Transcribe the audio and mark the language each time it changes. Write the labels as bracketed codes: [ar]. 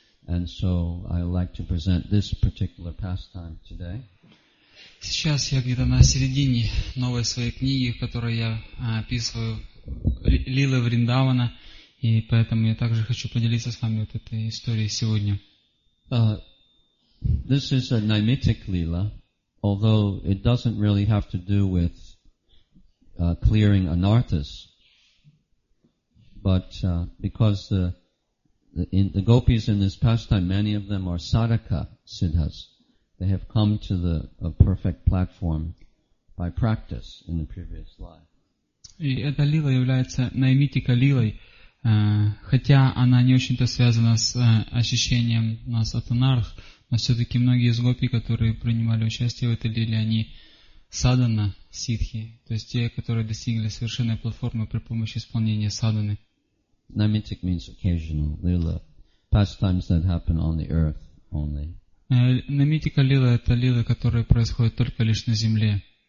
[en] And so I like to present this particular pastime today. [ru] Сейчас я где-то на середине новой своей книги, в которой я описываю лилы Вриндавана, и поэтому я также хочу поделиться с вами вот этой историей сегодня. [en] This is a Naimittic lila, although it doesn't really have to do with clearing anarthas, but because the gopis in this pastime, many of them are sadhaka siddhas. They have come to a perfect platform by practice in the previous life. [ru] И эта лила является наймитика лилой, хотя она не очень-то связана с ощущением нас от анарх, но все-таки многие из гопи, которые принимали участие в этой лиле, они садхана сидхи, то есть те, которые достигли совершенной платформы при помощи исполнения садханы. [en] Naimittic means occasional lila, pastimes that happen on the earth only. [ru] Наймитика лила — это лила, которая происходит только лишь на земле.